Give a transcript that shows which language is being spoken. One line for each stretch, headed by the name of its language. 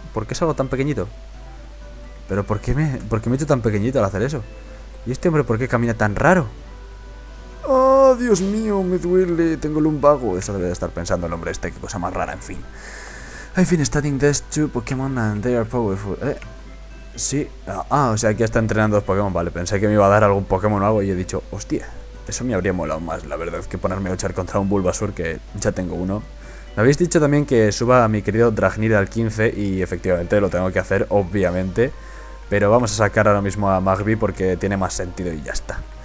Spanish: ¿Por qué es algo tan pequeñito? ¿Pero por qué me he hecho tan pequeñito al hacer eso? ¿Y este hombre por qué camina tan raro? ¡Oh, Dios mío! ¡Me duele! ¡Tengo lumbago! Eso debe de estar pensando el hombre este, qué cosa más rara, en fin. En fin,
English: studying these two Pokémon and they are powerful.
Spanish: Sí. Ah, o sea, aquí está entrenando dos Pokémon. Vale, pensé que me iba a dar algún Pokémon o algo y he dicho, hostia, eso me habría molado más, la verdad, que ponerme a luchar contra un Bulbasaur, que ya tengo uno. Me habéis dicho también que suba a mi querido Dragnir al 15 y efectivamente lo tengo que hacer, obviamente. Pero vamos a sacar ahora mismo a Magby porque tiene más sentido y ya está.